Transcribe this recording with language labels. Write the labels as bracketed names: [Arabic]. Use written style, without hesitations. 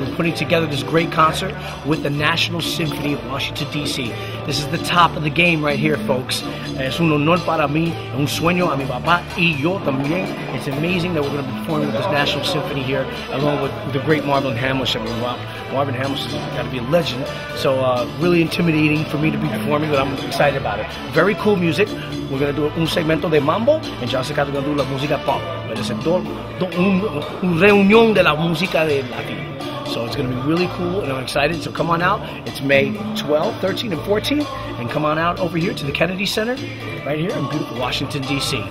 [English] We're putting together this great concert with the National Symphony of Washington, D.C. This is the top of the game right here, folks. [Spanish] Es un honor para mí, un sueño a mi papá y yo también. [English] It's amazing that we're going to be performing with this National Symphony here, along with the great Marvin Hamlisch. Marvin Hamlisch has got to be a legend. So really intimidating for me to be performing, but I'm excited about it. Very cool music. We're going to do [Spanish] un segmento de mambo, [English] and John Secada is going to do [Spanish] la música pop. Pero es un reunión de la música de Latino. [English] So it's going to be really cool, and I'm excited. So come on out. It's May 12th, 13th, and 14th. And come on out over here to the Kennedy Center, right here in beautiful Washington, D.C.